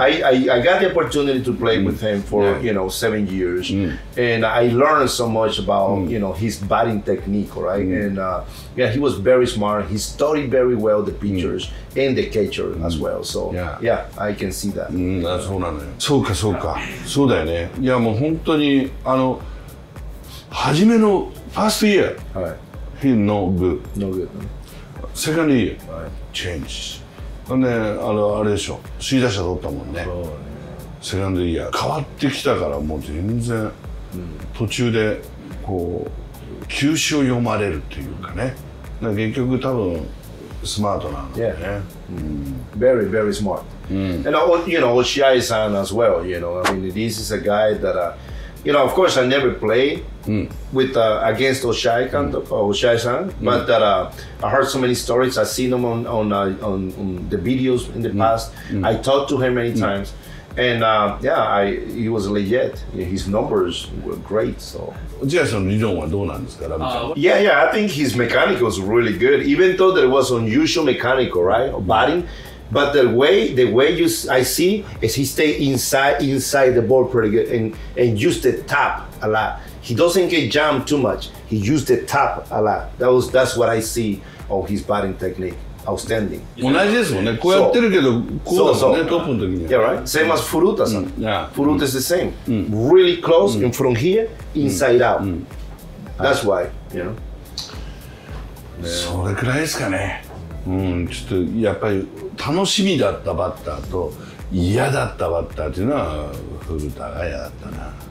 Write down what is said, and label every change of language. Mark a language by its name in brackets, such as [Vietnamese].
[English] I got the opportunity to play with him for、yeah. you know, 7 years、 [Japanese] うん、 [English] and I learned so much about、うん、you know, his batting technique, right?、うん、and、yeah, he was very smart. He studied very well the pitchers、 [Japanese] うん、 [English] and the catcher、うん、as well. So yeah. yeah, I can see that.、 [Japanese] うん、あ、そうなのよ。そうか、そうか。そうだよね。いや、もう本当に、あの、初めのファーストイヤー、はい、 [English] He's no good. [Japanese] No good. セカンドイヤー、 [English] Change. [Japanese] ほんで、あの、あれでしょ、首位打者取ったもんね。そうね。セカンドイヤー、変わってきたから、もう全然、うん、途中で、こう、球種を読まれるっていうかね。だから結局、多分、スマートなのね。 [English] Yeah. Very, very smart.、うん、 And, you know, 落合さん as well, you know, I mean, this is a guy that,、you know, of course, I never played、 [Japanese] うん、 [English] with,、against 落合監督、うん、落合さん、うん、but that,、I heard so many stories, I've seen him on the videos in the past,、うん、I talked to him many times,、うん、and,、yeah, he was a legit, his numbers were great, so... [Japanese] 落合さんの理論はどうなんですか、ラミちゃん。 [English] Yeah, yeah, I think his mechanic was really good, even though there was unusual mechanical, right, batting,、 [Japanese] うん、 [English] but the way you, I see is he stay inside the ball pretty good and use the top a lot. He doesn't get jammed too much. He use the top a lot. That's what I see of his batting technique. Outstanding. [Japanese] 同じですもんね。こうやってるけど、こうだもんね、トップの時には。 [English] Yeah, right? Same as Furuta さん。 Yeah. Furuta is the same. Really close in from here, inside out. That's why, you know. [Japanese] それくらいですかね。うん、ちょっとやっぱり楽しみだったバッターと嫌だったバッターというのは古田が嫌だったな。